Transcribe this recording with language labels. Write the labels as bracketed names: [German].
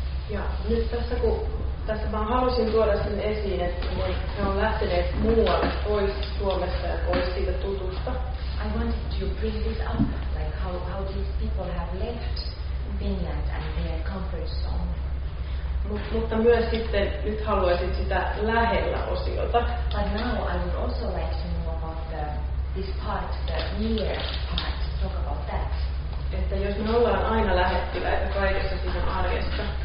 [Finnish] Ja nyt tässä, kun tässä vaan halusin tuoda sen esiin, että he on lähteneet muualle pois Suomesta ja pois siitä tutusta. [English] I wanted to bring this up, like how these people have left Finland and their comfort zone. [Finnish] Mutta myös sitten nyt haluaisin sitä lähellä osiota. [English] But now I would also like to know about this part, that near part, talk about that. [Finnish] Että jos kaikessa siinä arjessa.